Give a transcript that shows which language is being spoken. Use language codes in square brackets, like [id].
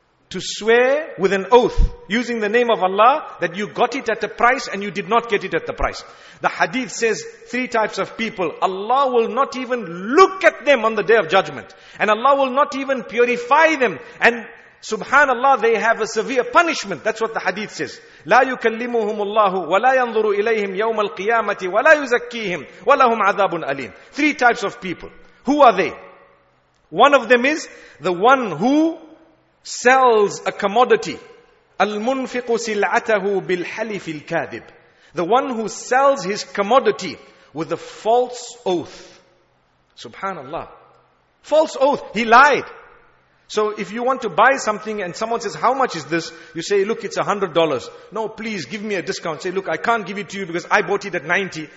[en] To swear with an oath, using the name of Allah, that you got it at a price and you did not get it at the price. The hadith says three types of people. Allah will not even look at them on the day of judgment. And Allah will not even purify them. And subhanallah, they have a severe punishment. That's what the hadith says. [ar] لا يكلمهم الله ولا ينظر إليهم يوم القيامة ولا يزكيهم ولهم عذاب أليم. [en] Three types of people. Who are they? One of them is the one who sells a commodity. [ar] المنفق سلعته بالحلف الكاذب. [en] The one who sells his commodity with a false oath. Subhanallah. False oath. He lied. So if you want to buy something and someone says, how much is this? You say, look, it's $100. No, please give me a discount. Say, look, I can't give it to you because I bought it at 90.